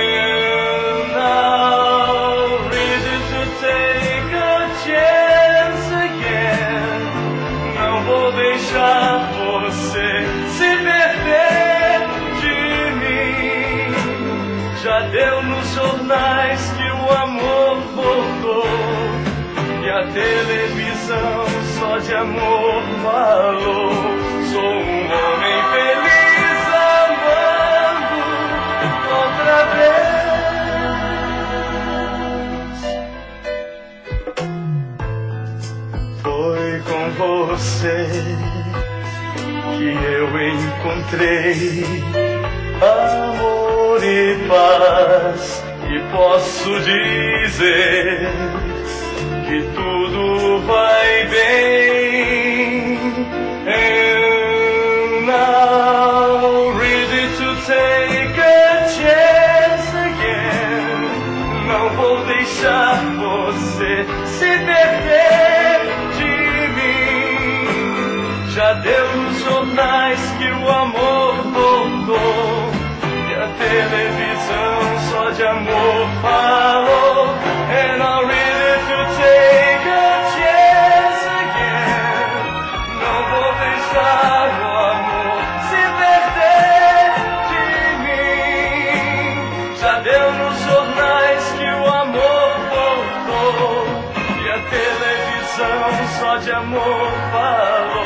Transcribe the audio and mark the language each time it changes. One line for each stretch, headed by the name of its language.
English: And now reason to take a chance again.
Portuguese: Não vou deixar você se perder de mim. Já deu nos jornais que o amor voltou, e a televisão de amor falou. Sou um homem feliz amando outra vez. Foi com você que eu encontrei amor e paz, e posso dizer que tudo vai bem.
English: And now ready to take a chance again.
Portuguese: Não vou deixar você se perder de mim. Já deu nos jornais que o amor voltou, e a televisão só de amor falou.
English: And now ready to take a chance again.
Portuguese: Não vou deixar o amor se perder de mim. Já deu nos jornais que o amor voltou, e a televisão só de amor falou.